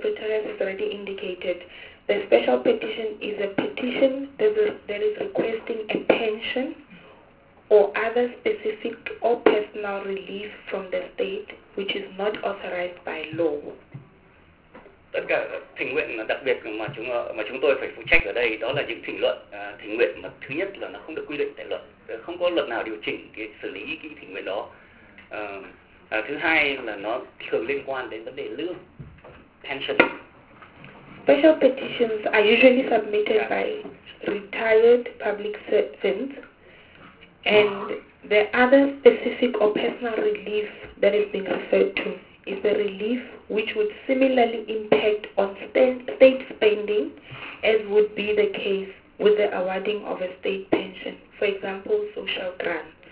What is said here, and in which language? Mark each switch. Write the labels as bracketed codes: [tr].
[en] Pretorius has already indicated, the special petition is a petition that is requesting a pension or other specific or personal relief from the state which is not authorized by law. [vi] Tất cả thỉnh nguyện đặc biệt mà chúng tôi phải phụ trách ở đây đó là những thỉnh nguyện mà thứ nhất là nó không được quy định tại luật, không có luật nào điều chỉnh cái xử lý cái thỉnh nguyện đó. Thứ hai là nó thường liên quan đến vấn đề lương, pension. [en] Special petitions are usually submitted by retired public servants, and the other specific or personal relief that is being referred to is the relief which would similarly impact on state spending as would be the case with the awarding of a state pension, for example, social grants.